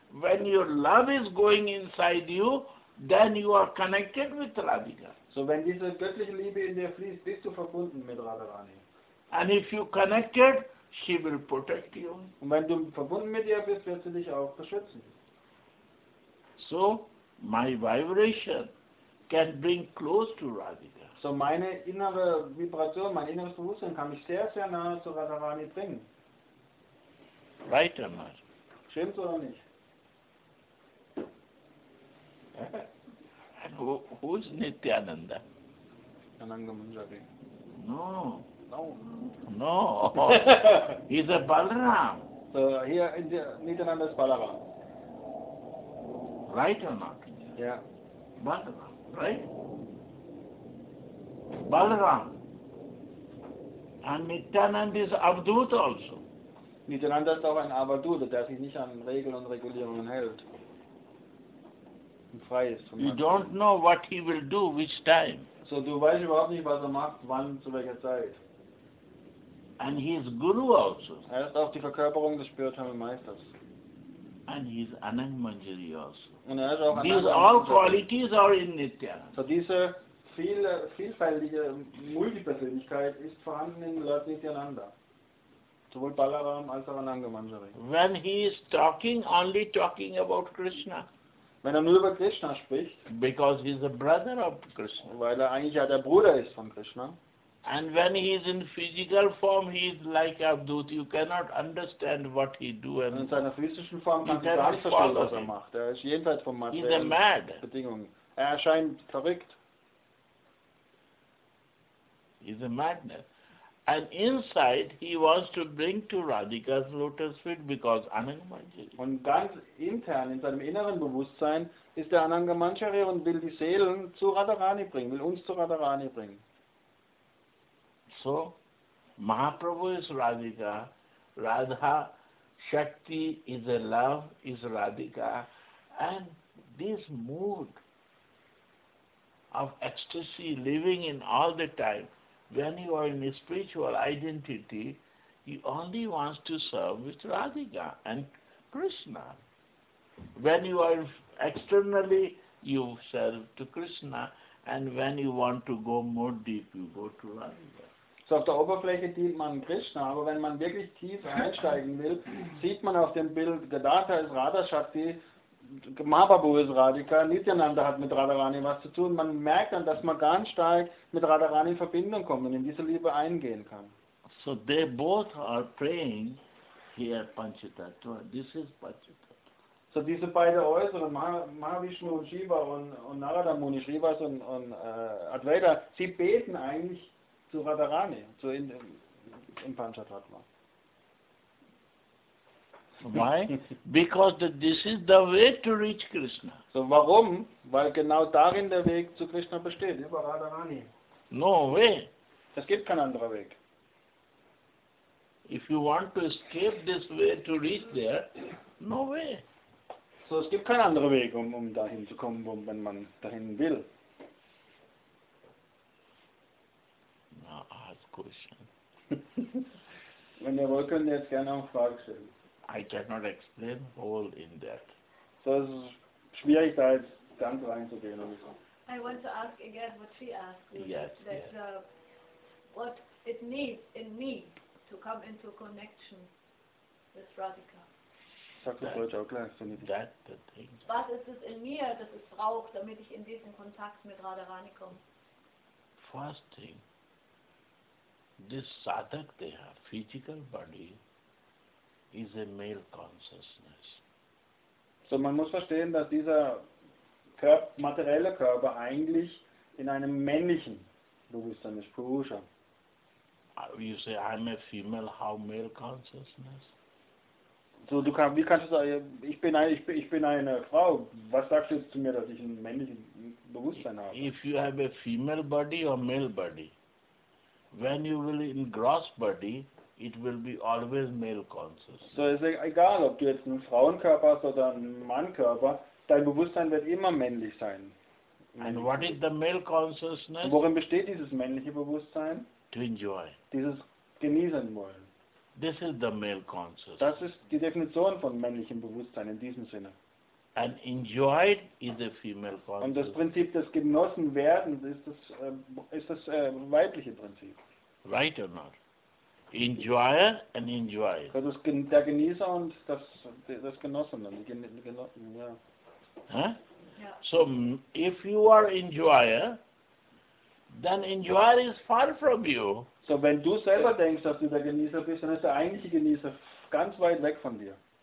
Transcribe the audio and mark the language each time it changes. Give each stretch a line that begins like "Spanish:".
English: When your love is going inside you, then you are connected with Radhika.
German: So, wenn diese göttliche Liebe in dir fließt, bist du verbunden mit Radharani.
English: And if you connected, she will protect you.
German: Und wenn du verbunden mit ihr bist, wird sie dich auch beschützen.
English: So, my vibration can bring close to Radhika.
German: So, meine innere Vibration, mein inneres Bewusstsein kann mich sehr, sehr nahe zu Radharani bringen.
English: Right, Amar?
German: Stimmt's oder nicht?
English: And who is Nityananda? Ananga Munjari. No. No. No. He's a Balaram. So here in the Nityananda is Balaram. Right or not? Yeah. Balaram, right? Balaram. And Nityananda is Avadhut also.
German: Nityananda ist auch ein Avadhut, der sich nicht an Regeln und Regulierungen hält.
English: You don't know what he will do, which time.
German: So du weißt überhaupt nicht, was macht, wann, zu welcher Zeit.
English: And he is Guru also.
German: Ist auch die Verkörperung des spirituellen Meisters.
English: And he is Anang Manjari also.
German: Und auch Anang
English: These Anang all qualities are in Nitya.
German: So diese vielfältige Multipersönlichkeit ist vorhanden in Lord Nityananda. Sowohl Balaram als auch Anang Manjari.
English: When he is talking, only talking about Krishna.
German: Wenn er nur über Krishna spricht,
English: because he is a brother of Krishna,
German: weil er eigentlich ja der Bruder ist von Krishna.
English: And when he is in physical form, he is like Avadhut. You cannot understand what he do.
German: Und in seiner physischen Form kann man gar nicht verstehen, was er macht. Er ist jenseits von materiellen Bedingungen. Er erscheint verrückt.
English: He is a madness. And inside he wants to bring to Radhika's lotus feet because Anang Manjari.
German: Und ganz intern, in seinem inneren Bewusstsein, ist der Ananga Manjari und will die Seelen zu Radharani bringen, will uns zu Radharani bringen.
English: So, Mahaprabhu is Radhika, Radha Shakti is a love, is Radhika, and this mood of ecstasy living in all the time. When you are in a spiritual identity, he only wants to serve with Radhika and Krishna. When you are externally, you serve to Krishna, and when you want to go more deep, you go to Radhika.
German: So auf der Oberfläche dient man Krishna, aber wenn man wirklich tief einsteigen will, sieht man auf dem Bild, Gadadhara ist Radha Shakti, Mahaprabhu ist Radhika, Nityananda hat mit Radharani was zu tun. Man merkt dann, dass man ganz stark mit Radharani in Verbindung kommt und in diese Liebe eingehen kann.
English: So they both are praying here Panchatattva. This is Panchatattva.
German: So diese beiden Äußeren, Mahavishnu und Shiva und Narada Muni, Shivas und Advaita, sie beten eigentlich zu Radharani, zu in Panchatattva.
English: Why? Because this is the way to reach Krishna.
German: So warum? Weil genau darin der Weg zu Krishna besteht. Über Radharani.
English: No way.
German: Es gibt keinen anderen Weg.
English: If you want to escape this way to reach there, no way.
German: So es gibt keinen anderen Weg, um dahin zu kommen, wenn man dahin will.
English: Now ask question.
German: Wenn ihr wollt, könnt ihr jetzt gerne eine Frage stellen.
English: I cannot explain all in that.
German: So es ist schwierig, da jetzt ganz reinzugehen.
English: I want to ask again what she asked. Yes, what it needs in me to come into connection with Radhika.
German: Sag das Deutsch auch gleich, finde ich.
English: That the thing.
German: Was ist es in mir, das es braucht, damit ich in diesen Kontakt mit Radharani komme?
English: First thing, this sadhak, they have physical body, is a male consciousness.
German: So man muss verstehen, dass dieser materielle Körper eigentlich in einem männlichen Bewusstsein ist, Purusha.
English: You say, I'm a female, how male consciousness?
German: So, du kannst, wie kannst du sagen, ich bin eine Frau. Was sagst du zu mir, dass ich ein männliches Bewusstsein habe?
English: If you have a female body or male body, when you will in gross body, it will be always male conscious.
German: So ist egal, ob du jetzt einen Frauenkörper hast oder einen Mannkörper, dein Bewusstsein wird immer männlich sein.
English: And what is the male consciousness?
German: Worin besteht dieses männliche Bewusstsein?
English: To enjoy.
German: Dieses genießen wollen.
English: This is the male conscious.
German: Das ist die Definition von männlichem Bewusstsein in diesem Sinne.
English: And enjoyed is a female consciousness.
German: Und das Prinzip des Genossenwerdens ist das weibliche Prinzip.
English: Right or not? Enjoyer and enjoy.
German: Also der Genießer und das Genossene. Ja.
English: So if you are enjoyer, then enjoyer is far from you.
German: So wenn du selber denkst, dass du der Genießer bist, dann ist der eigentliche Genießer ganz weit weg von dir.